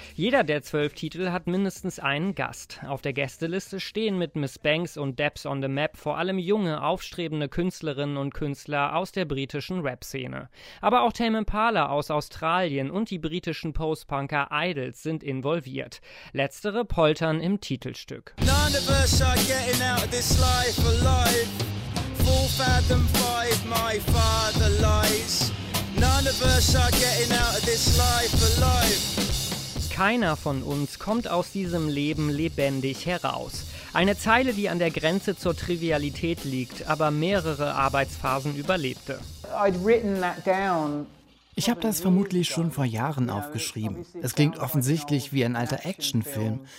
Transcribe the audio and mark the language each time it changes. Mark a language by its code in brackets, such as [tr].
[de] Jeder der 12 Titel hat mindestens einen Gast. Auf der Gästeliste stehen mit Miss Banks und Debs on the Map vor allem junge, aufstrebende Künstlerinnen und Künstler aus der britischen Rap-Szene. Aber auch Tame Impala aus Australien und die britischen Post-Punker Idols sind involviert. Letztere poltern im Titelstück. [en] None of us are getting out of this life alive. Four fathom five, my father lies. None of us are getting out of this life alive. [de] Keiner von uns kommt aus diesem Leben lebendig heraus. Eine Zeile, die an der Grenze zur Trivialität liegt, aber mehrere Arbeitsphasen überlebte. [en] I'd written that down. [de] Ich habe das vermutlich schon vor Jahren aufgeschrieben. Es klingt offensichtlich wie ein alter Actionfilm.